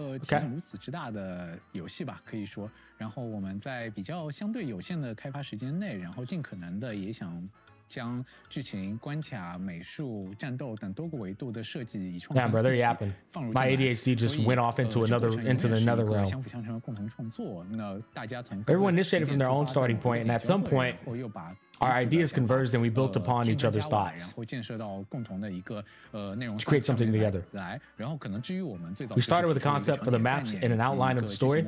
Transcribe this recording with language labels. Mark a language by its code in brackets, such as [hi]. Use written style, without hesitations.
[zh] 一个如此之大的游戏吧，可以说。然后我们在比较相对有限的开发时间内，然后尽可能的也想将剧情、关卡、美术、战斗等多个维度的设计以创新。 [en] Damn, brother, you happen. My ADHD just went off into another realm. [zh] 相辅相成的共同创作，那大家从 [en] Everyone initiated from their own starting point, and at some point, our ideas converged and we built upon each other's thoughts. [zh] 然后建设到共同的一个内容。 [en] To create something together. [zh] 来，然后可能至于我们最早。 [en] We started with a concept for the maps and an outline of the story.